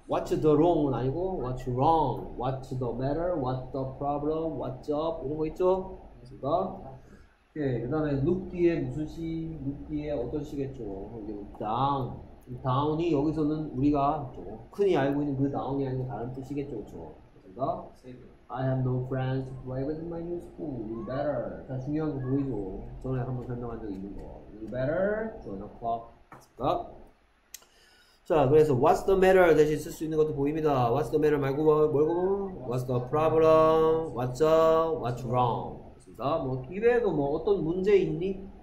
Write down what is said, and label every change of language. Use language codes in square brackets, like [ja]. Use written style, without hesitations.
[en] What's the wrong은 [ko] 아니고 [en] What's wrong? What's the matter? What's the problem? What's up? [ko] 이런 거 있죠? 그니까 네, 그 다음에 look 뒤에 무슨 시, look 뒤에 어떤 시겠죠? 다운. 다운이 여기서는 우리가 흔히 알고 있는 그 다운이 아니고 다른 뜻이겠죠, 그렇죠? [en] I have no friends to play with my new school. You better. [ko] 다 중요한 거 보이죠? 전에 한번 설명한 적 있는 거. [en] You better join a club. [ko] 자, 그래서 [en] what's the matter [ko] 대신 쓸 수 있는 것도 보입니다. [en] What's the matter [ko] 말고 뭘고? [en] What's the problem? What's up? What's wrong? [ko] 자, 뭐 이외에도 뭐 어떤 문제 있니?